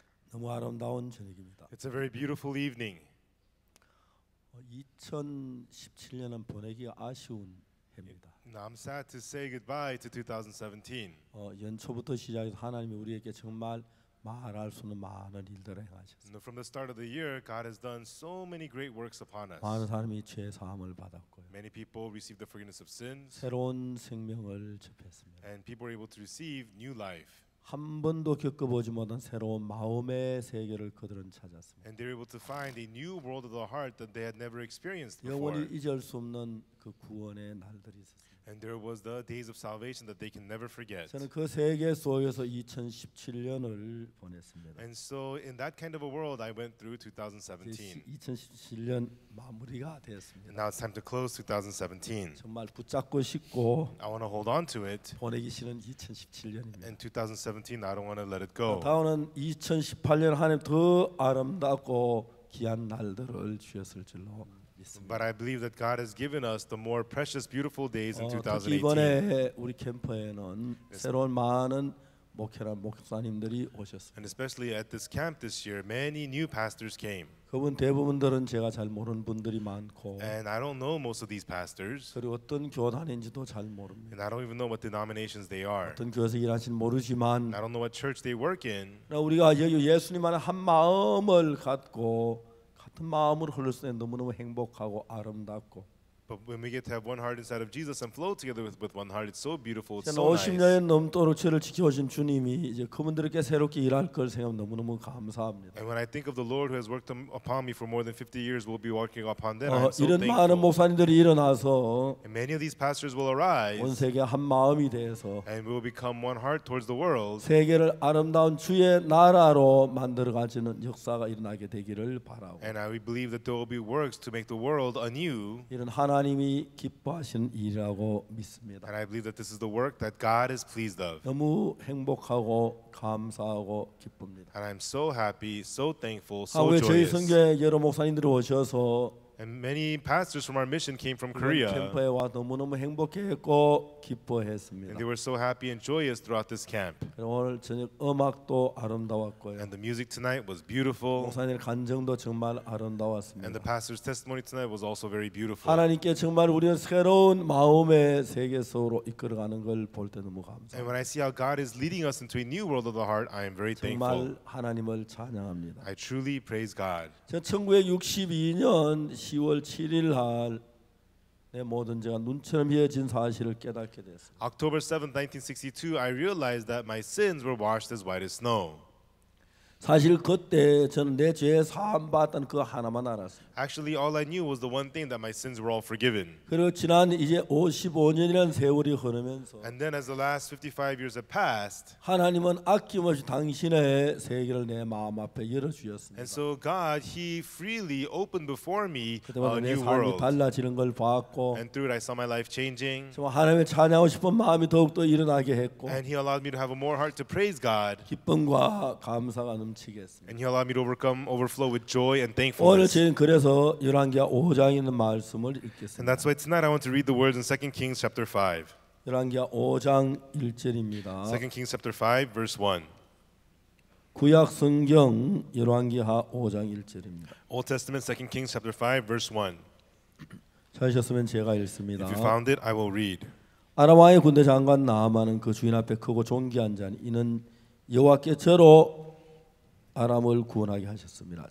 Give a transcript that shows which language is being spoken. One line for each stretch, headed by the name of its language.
Korean: 너무 아름다운 저녁입니다.
English: It's a very beautiful evening.
Korean: 2017년은 보내기 아쉬운 해입니다.
English: Now I'm sad to say goodbye to 2017.
Korean: 연초부터 시작해서 하나님이 우리에게 정말 말할 수 없는 많은 일들을 행하셨습니다.
English: From the start of the year, God has done so many great works upon us.
Korean: 많은 사람이 죄 사함을 받았고요.
English: Many people received the forgiveness of sins.
Korean: 새로운 생명을 접했습니다.
English: And people were able to receive new life.
Korean: 한 번도 겪어보지 못한 새로운 마음의 세계를 그들은 찾았습니다.
English: And they were able to find a new world of the heart that they had never experienced before.
Korean: 영원히 잊을 수 없는 그 구원의 날들이 있었습니다.
English: And there was the days of salvation that they can never forget.
Korean: 저는 그 세계 속에서 2017년을 보냈습니다.
English: And so in that kind of a world, I went through 2017.
Korean: 2017년 마무리가 되었습니다.
English: And now it's time to close 2017.
Korean: 정말 붙잡고 싶고
English: I want to hold on to it.
Korean: 보내기 싫은 2017년입니다.
English: And 2017, I don't want to let it go.
Korean: 다음은 2018년 하나님 더 아름답고 귀한 날들을 주셨을 줄로
English: But I believe that God has given us the more precious, beautiful days in 2018.
Korean: 이번에 우리 캠프에는 새로운 많은 목회자 목사님들이 오셨습니다.
English: And especially at this camp this year, many new pastors came.
Korean: 그분 대부분들은 제가 잘 모르는 분들이 많고.
English: And I don't know most of these pastors.
Korean: 그리고 어떤 교단인지도 잘 모릅니다.
English: And I don't even know what denominations they are.
Korean: 어떤 교회에서 일하신 모르지만.
English: I don't know what church they work in.
Korean: 우리가 예수님만의 한 마음을 갖고. 마음으로 흘러 쓰는 너무너무 행복하고 아름답고.
English: But when we get to have one heart inside of Jesus and flow together with one heart, it's so beautiful. It's so
Korean: 50년 넘도록 저를 지켜오신 주님이 이제 그분들께 새롭게 일할 걸 생각하면 너무너무 감사합니다.
English: And when I think of the Lord who has worked upon me for more than 50 years, will be working upon them. I'm so
Korean: 이런 이런 많은 목사님들이 일어나서.
English: And many of these pastors will arise.
Korean: 온 세계 한 마음이 돼서.
English: And we will become one heart towards the world.
Korean: 세계를 아름다운 주의 나라로 만들어가지는 역사가 일어나게 되기를 바라고.
English: And I believe that there will be works to make the world anew.
Korean: 이런 하나 하나님이 기뻐하신 일이라고 믿습니다.
English: And I believe that this is the work that God is pleased of.
Korean: 너무 행복하고 감사하고 기쁩니다.
English: And I'm so happy, so thankful, so joyous.
Korean: 저희 성교회 여러 목사님들이 오셔서
English: And many pastors from our mission came from Korea.
Korean: 캠프에 와 너무너무 행복했고 기뻐했습니다.
English: And they were so happy and joyous throughout this camp.
Korean: 오늘 저녁 음악도 아름다웠고요.
English: And the music tonight was beautiful.
Korean: 목사님 간증도 정말 아름다웠습니다.
English: And the pastor's testimony tonight was also very beautiful.
Korean: 하나님께 정말 우리는 새로운 마음의 세계 속으로 이끌어가는 걸 볼 때 너무 감사합니다.
English: And when I see how God is leading us into a new world of the heart, I am very thankful.
Korean: 정말 하나님을 찬양합니다.
English: I truly praise God.
Korean: 1962년 10월 7일 날 내 모든 죄가 눈처럼 희어진 사실을 깨닫게 됐습니다.
English: October 7, 1962, I realized that my sins were washed as white as snow.
Korean: 사실 그때 저는 내 죄 사함 받았던 그 하나만 알았어요.
English: Actually, all I knew was the one thing that my sins were all forgiven.
Korean: 그리고 지난 이제 55년이라는 세월이 흐르면서
English: And then as the last 55 years have passed,
Korean: 하나님은 아낌없이 당신의 세계를 내 마음 앞에 열어주셨습니다.
English: And so God, He freely opened before me a new world.
Korean: 내 삶이 달라지는 걸 봤고
English: And through it, I saw my life changing.
Korean: 정말 하나님을 찬양하고 싶은 마음이 더욱더 일어나게 했고
English: And He allowed me to have a more heart to praise God.
Korean: 기쁨과 감사가
English: And He allowed me to overflow with joy and thankfulness.
Korean: 오늘 저는 그래서 열왕기하 5장 있는 말씀을 읽겠습니다.
English: And that's why tonight I want to read the words in 2 Kings chapter 5.
Korean: 열왕기하 5장 1절입니다.
English: 2 Kings chapter 5, verse 1.
Korean: 구약 성경 열왕기하 5장 1절입니다.
English: Old Testament 2 Kings chapter 5, verse 1.
Korean: 찾으셨으면 제가 읽습니다.
English: If you found it, I will read.
Korean: 아람 왕의 군대 장관 나아만은 그 주인 앞에 크고 존귀한 자니 이는 여호와께 저로 아람을 구원하게 하셨습니다.